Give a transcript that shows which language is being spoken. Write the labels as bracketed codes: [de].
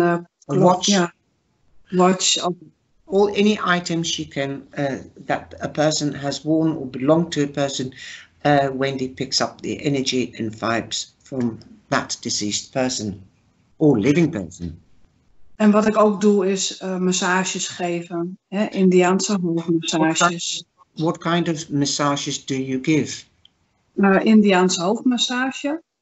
[en] a watch. Yeah. Watch of all any items she can that a person has worn or belonged to a person. Wendy picks up the energy and vibes from that deceased person or living person. [nl] En wat ik ook doe is massages geven, Indiaanse hoofdmassages. [en] What kind of massages do you give? [nl] Indiaanse hoofdmassage.